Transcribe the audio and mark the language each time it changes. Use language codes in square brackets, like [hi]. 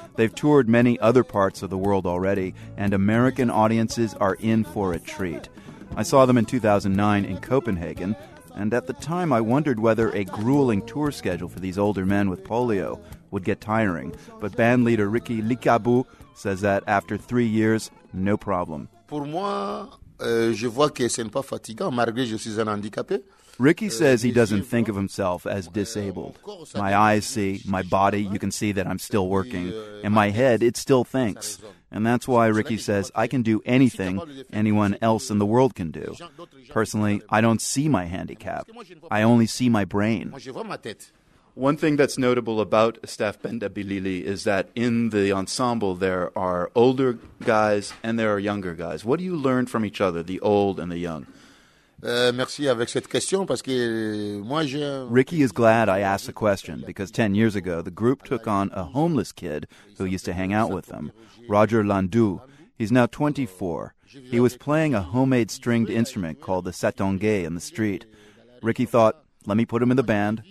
[en] They've toured many other parts of the world already, and American audiences are in for a treat. I saw them in 2009 in Copenhagen, and at the time I wondered whether a grueling tour schedule for these older men with polio would get tiring. But band leader Ricky Likabu says that after 3 years, no problem. [fr] Pour moi, je vois que ce n'est pas fatigant, malgré que je suis un handicapé. [en] Ricky says he doesn't think of himself as disabled. My eyes see, my body, you can see that I'm still working. In my head, it still thinks. And that's why Ricky says I can do anything anyone else in the world can do. Personally, I don't see my handicap. I only see my brain. One thing that's notable about Staff Bendabi-Lili is that in the ensemble there are older guys and there are younger guys. What do you learn from each other, the old and the young? [fr] Merci avec cette question parce que moi je... [en] Ricky is glad I asked the question because 10 years ago the group took on a homeless kid who used to hang out with them, Roger Landou. He's now 24. He was playing a homemade stringed instrument called the satongue in the street. Ricky thought, let me put him in the band.